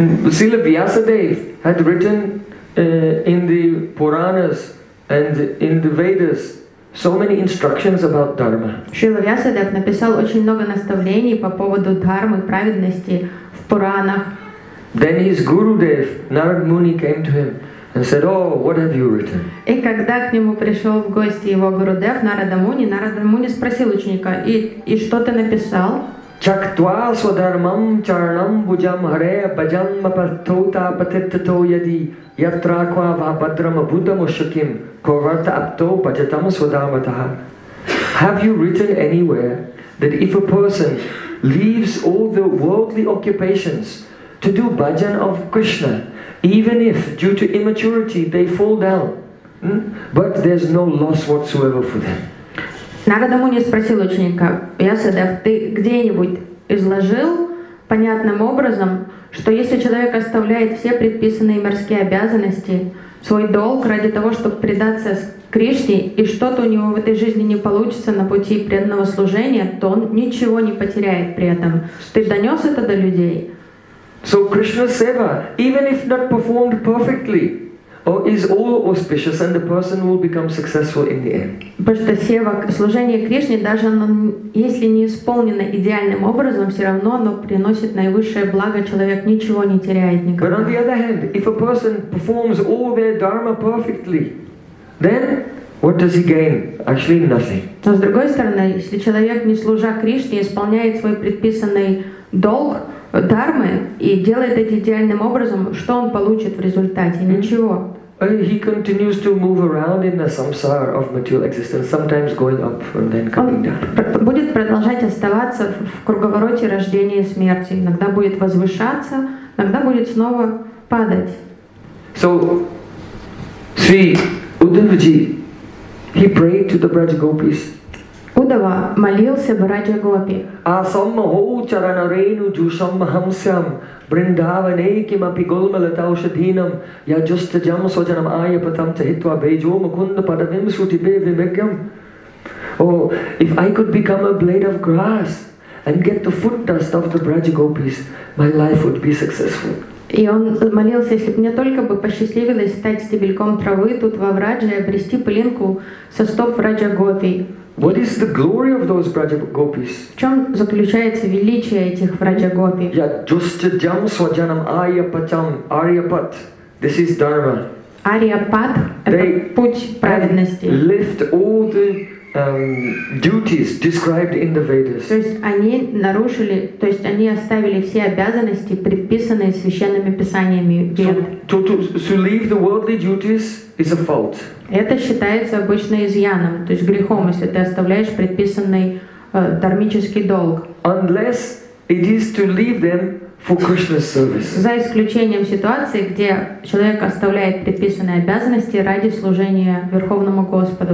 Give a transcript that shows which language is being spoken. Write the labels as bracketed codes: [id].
[en] Сила Вьясадев had written in the Puranas and in the Vedas, so many instructions about dharma. [ru] Шрила Вьясадев написал очень много наставлений по поводу дхармы, праведности в Пуранах. [en] Then his Gurudev, Narad Muni, came to him and said, "Oh, what have you written?" [ru] И когда к нему пришел в гости его Гурудев Нарада Муни спросил ученика, и что ты написал? [sa] Чактва свадхармам чарнам буджам харе баджам апатхута апатиттто яди ятраква вабадрама буддам ушаким коварта апто баджатам свадхаматаха. [en] Have you written anywhere that if a person leaves all the worldly occupations to do bhajan of Krishna, even if due to immaturity they fall down, but there's no loss whatsoever for them? [ru] Нарада Муни спросил ученика, Ясадев, ты где-нибудь изложил понятным образом, что если человек оставляет все предписанные мирские обязанности, свой долг ради того, чтобы предаться Кришне, и что-то у него в этой жизни не получится на пути преданного служения, то он ничего не потеряет при этом. Ты донес это до людей? [en] So Krishna Seva, even if not performed perfectly, or is all auspicious, and the person will become successful in the end. [ru] Потому что сева, служение Кришне, даже если не исполнено идеальным образом, все равно оно приносит наивысшее благо, человек ничего не теряет никогда. [en] But on the other hand, if a person performs all their dharma perfectly, then what does he gain? Actually nothing. [ru] Но с другой стороны, если человек, не служа Кришне, исполняет свой предписанный долг, дхармы, и делает это идеальным образом, что он получит в результате? Ничего. [en] He continues to move around in the samsara of material existence, sometimes going up and then coming down. [ru] Будет продолжать оставаться в круговороте рождения и смерти. Иногда будет возвышаться, иногда будет снова падать. [en] So, Sri Uddhavji, He prayed to the Braj Gopis. [ru] Удава молился Брадже Гопи. [sa] Асамма хоучарана рейну джушамма хамсям бриндаване кимапи голмалата ушадхинам я джуста джама саджанам айапатам тахитва бейджо макунда падавим сутипе вимекям. [en] Oh, if I could become a blade of grass and get the foot dust of the Braj Gopis, my life would be successful. [ru] И он молился, если бы мне только бы посчастливилось стать стебельком травы тут во Врадже и обрести пылинку со стоп Врадже Гопи. [en] What is the glory of those Braja Gopis? [ru] В чем заключается величие этих Врадже Гопи? [sa] Я джустаджам сваджанам айяпатам арьяпат. [en] This is dharma. [ru] Арьяпат — это путь праведности. [en] Lift all the duties described in the Vedas. [ru] То есть они нарушили, то есть они оставили все обязанности, предписанные священными писаниями. [en] To leave the worldly duties is a fault. [ru] Это считается обычно изъяном, то есть грехом, если ты оставляешь предписанный дармический долг. [en] Unless it is to leave them for Krishna's service. [ru] За исключением ситуации, где человек оставляет предписанные обязанности ради служения Верховному Господу.